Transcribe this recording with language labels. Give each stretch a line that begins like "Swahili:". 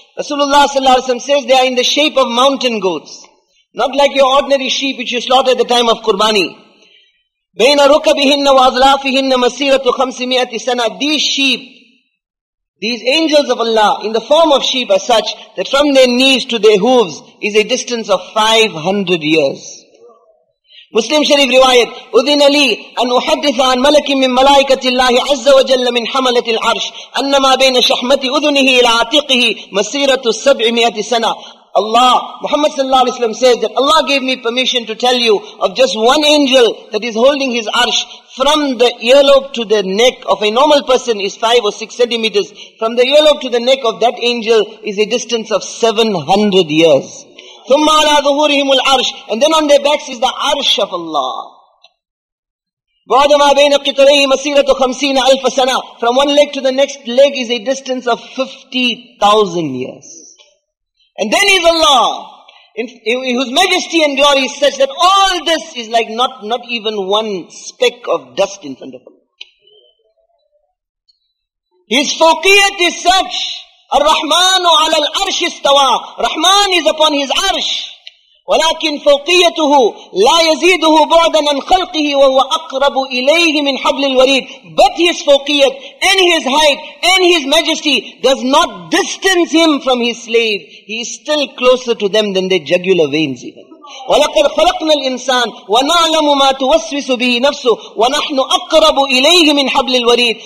English: Rasulullah sallallahu alaihi wasallam says they are in the shape of mountain goats, not like your ordinary sheep which you slaughter at the time of Qurbani.
Arabic: Bayna rukabihinna wa azlafihinna masiratu 500 sana.
English: These sheep, these angels of Allah in the form of sheep are such that from their knees to their hooves is a distance of 500 years. Muslim Sharif riwayat,
Arabic: أذن لي أن أحدث عن ملك من ملائكة الله عز وجل من حملة العرش أنما بين شحمة أذنه إلى عاتقه مسيرة 700 سنة.
English: Allah, Muhammad sallallahu alaihi wasallam says that Allah gave me permission to tell you of just one angel that is holding his arsh. From the earlobe to the neck of a normal person is 5 or 6 centimeters. From the earlobe to the neck of that angel is a distance of 700 years.
Arabic: ثُمَّ عَلَىٰ ظُهُورِهِمُ الْعَرْشِ.
English: And then on their backs is the arsh of Allah.
Arabic: بَعْدَمَا بَيْنَ قِطَرَيْهِ مَسِيرَةُ 50,000 سَنَةٍ.
English: From one leg to the next leg is a distance of 50,000 years. And then is Allah, whose majesty and glory is such that all this is like not even one speck of dust in front of him. His fawqiyat is such,
Arabic: الرحمن على العرش استوى.
English: Rahman is upon his arsh.
Arabic: ولكن فوقيته لا يزيده بعدا عن خلقه وهو أقرب إليه من حبل الوريد.
English: But his فوقيت and his height and his majesty does not distance him from his slave. He is still closer to them than their jugular veins even.
Arabic: وَلَقَدْ خَلَقْنَا الْإِنسَانَ وَنَعْلَمُ مَا تُوَسْوِسُ بِهِ نَفْسُهُ وَنَحْنُ أَقْرَبُ إِلَيْهِ مِنْ حَبْلِ الْوَرِيدِ.